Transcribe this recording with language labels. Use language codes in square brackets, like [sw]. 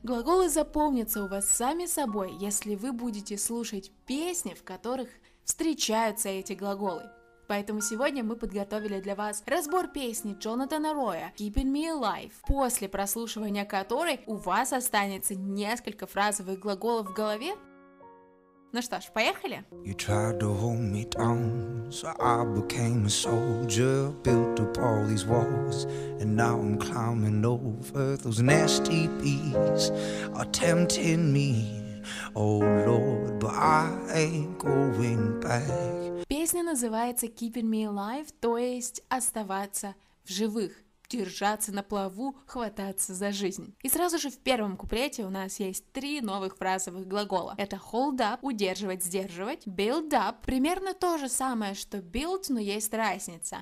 [ru] Глаголы запомнятся у вас сами собой, если вы будете слушать песни, в которых встречаются эти глаголы. Поэтому сегодня мы подготовили для вас разбор песни Джонатана Роя «Keeping Me Alive», после прослушивания которой у вас останется несколько фразовых глаголов в голове. Ну что ж, поехали! [en] You tried to hold me down, so I became a soldier, built up all these walls, and now I'm climbing over those nasty bees, attempting me. Oh Lord, but I ain't going back. [ru] Песня называется Keeping Me Alive, то есть оставаться в живых, держаться на плаву, хвататься за жизнь. И сразу же в первом куплете у нас есть три новых фразовых глагола. Это hold up, удерживать, сдерживать, build up, примерно то же самое, что build, но есть разница.